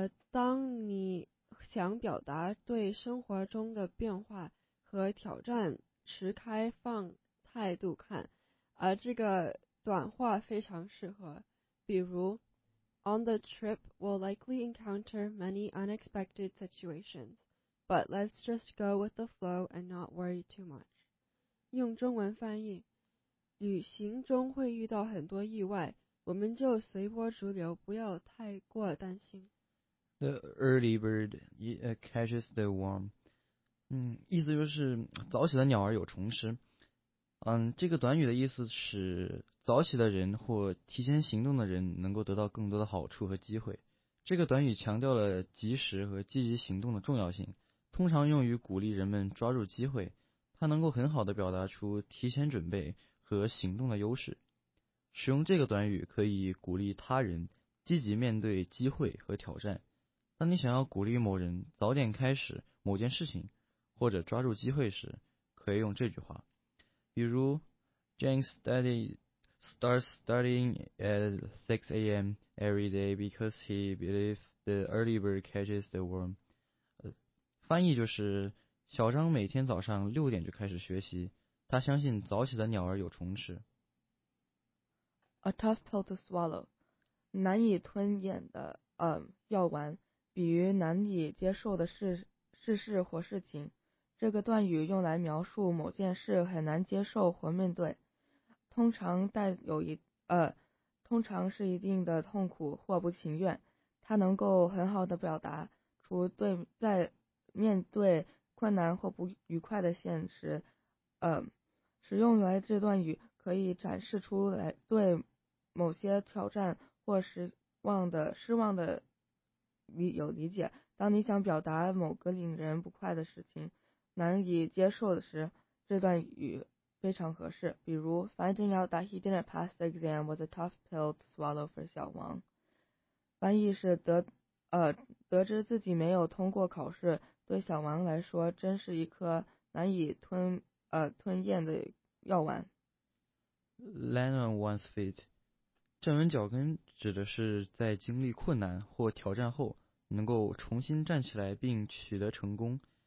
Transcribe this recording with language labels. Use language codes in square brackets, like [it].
[zh] 当你想表达对生活中的变化和挑战持开放态度看，这个短话非常适合。比如 [en] On the trip we'll likely encounter many unexpected situations, but let's just go with the flow and not worry too much. [zh] 用中文翻译，旅行中会遇到很多意外，我们就随波逐流，不要太过担心。 [en] The early bird catches the worm. [zh] 意思就是早起的鸟儿有虫吃。这个短语的意思是早起的人或提前行动的人能够得到更多的好处和机会。这个短语强调了及时和积极行动的重要性，通常用于鼓励人们抓住机会。它能够很好地表达出提前准备和行动的优势。使用这个短语可以鼓励他人积极面对机会和挑战。当你想要鼓励某人早点开始某件事情或者抓住机会时，可以用这句话。比如 [en] Jane starts studying at 6 a.m. every day because he believes the early bird catches the worm. [zh] 翻译就是小张每天早上6点就开始学习，他相信早起的鸟儿有虫吃。 [en] A tough pill to swallow, [zh] 难以吞咽的药丸，比喻难以接受的事或事情。这个段语用来描述某件事很难接受或面对，通常带有通常是一定的痛苦或不情愿。它能够很好的表达出对在面对困难或不愉快的现实，使用来这段语可以展示出来对某些挑战或失望的有理解。当你想表达某个令人不快的事情，难以接受的时，这段语非常合适。比如 [en] ，finding out that he didn't pass the exam was a tough pill to swallow for 小王。 [zh] 翻译是得知自己没有通过考试，对小王来说真是一颗难以吞咽的药丸。 [en] Land on one's feet， [zh] 站稳脚跟指的是在经历困难或挑战后，能够重新站起来并取得成功。